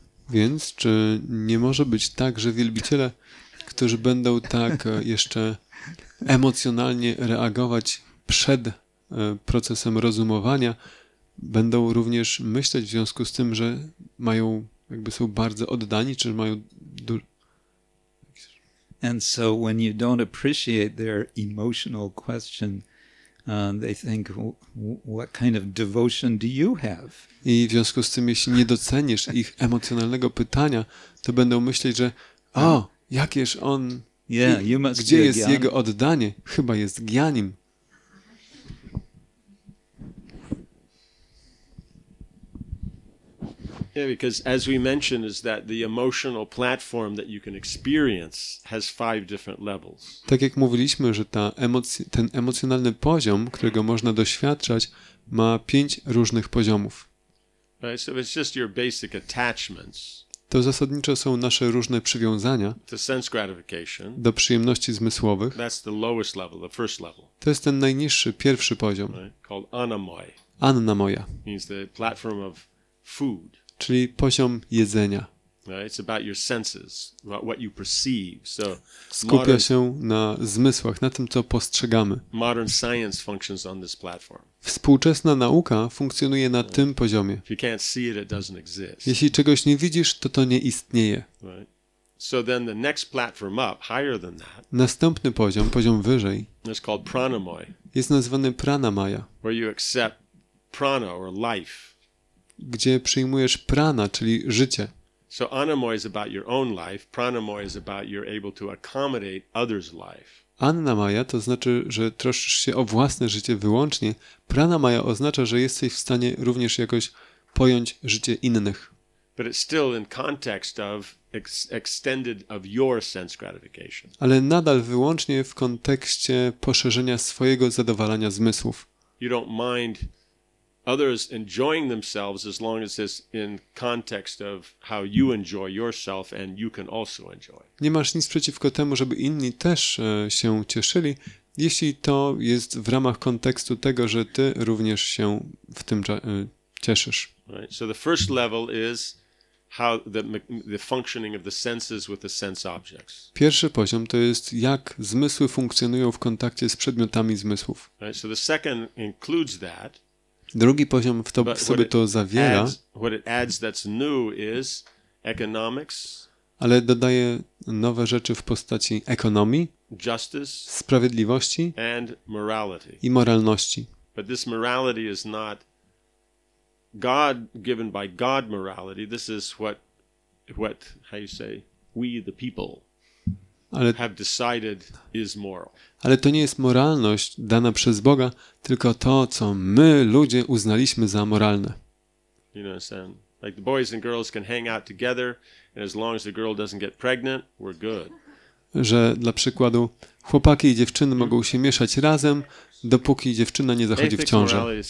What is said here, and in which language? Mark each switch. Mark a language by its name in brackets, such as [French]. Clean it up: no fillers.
[Polish] Więc czy nie może być tak, że wielbiciele, którzy będą tak jeszcze emocjonalnie reagować przed procesem rozumowania, będą również myśleć w związku z tym, że mają, jakby są bardzo oddani, czy mają [English] And so when you don't appreciate their emotional question, they think, what kind of devotion do you have? [Polish] I w związku z tym, jeśli nie docenisz ich emocjonalnego pytania, to będą myśleć, że o, jakież on, [English] yeah, you must [Polish] gdzie jest gyanim. Jego oddanie? Chyba jest gyanim. [English] Yeah, because as we mentioned, is that the emotional platform that you can experience has five different levels. [Polish] Tak jak mówiliśmy, że ten emocjonalny poziom, którego można doświadczać, ma pięć różnych poziomów. [English] Right, so it's just your basic attachments. [Polish] To zasadniczo są nasze różne przywiązania do przyjemności zmysłowych. [English] That's the lowest level, the first level. [Polish] To jest ten najniższy, pierwszy poziom. [English] Right, called anamoy. [Polish] Annamoya. [English] Means the platform of food. [Polish] Czyli poziom jedzenia. [English] Right, it's about your senses, about what you perceive. So [Polish] skupia się na zmysłach, na tym, co postrzegamy. [English] Modern science functions on this platform. [Polish] Współczesna nauka funkcjonuje na tym poziomie. [English] If you can't see it, it doesn't exist. [Polish] Jeśli czegoś nie widzisz, to nie istnieje. [English] Right. So then the next platform up, higher than that. [Polish] Następny poziom, poziom wyżej. [English] It's called pranamaya. [Polish] Jest nazwany pranamaya. [English] Where you accept prana or life. [Polish] Gdzie przyjmujesz prana, czyli życie. [English] So anamoy is about your own life, pranamoy is about you're able to accommodate others' life. [Polish] Annamaya to znaczy, że troszczysz się o własne życie wyłącznie. Pranamaya oznacza, że jesteś w stanie również jakoś pojąć życie innych. [English] But it's still in context of extended of your sense gratification. [Polish] Ale nadal wyłącznie w kontekście poszerzenia swojego zadowalania zmysłów. [English] You don't mind others enjoying themselves as long as it's in context of how you enjoy yourself and you can also enjoy. [Polish] Nie masz nic przeciwko temu, żeby inni też się cieszyli, jeśli to jest w ramach kontekstu tego, że ty również się w tym cieszysz. [English] Right. So the first level is how the functioning of the senses with the sense objects. [Polish] Pierwszy poziom to jest jak zmysły funkcjonują w kontakcie z przedmiotami zmysłów. [English] Right. So the second includes that. [Polish] Drugi poziom w to sobie to zawiera. [English] What it adds that's new is economics. [Polish] Ale dodaje nowe rzeczy w postaci ekonomii, [English] justice, [Polish] sprawiedliwości [English] and morality. [Polish] I moralności. [English] But this morality is not God given by God morality. This is what how you say we the people have decided is moral. [Polish] Ale to nie jest moralność dana przez Boga, tylko to, co my ludzie uznaliśmy za moralne. [English] You know, so like the boys and girls can hang out together, and as long as the girl doesn't get pregnant, we're good. [Polish] Że dla przykładu chłopaki i dziewczyny mogą się mieszać razem, dopóki dziewczyna nie zachodzi w ciążę.